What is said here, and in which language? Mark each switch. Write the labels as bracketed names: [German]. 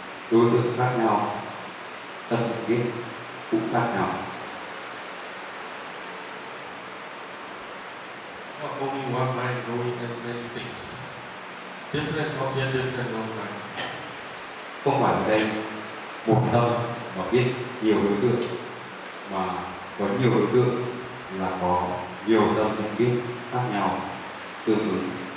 [Vietnamese] Đối tượng khác nhau, tâm biết cũng khác nhau. [English] Not only one mind knowing and many things. Different object, different one mind. [Vietnamese] Không phải ở đây một tâm mà biết nhiều đối tượng, mà có nhiều đối tượng là có nhiều tâm nhận biết khác nhau, tương ứng.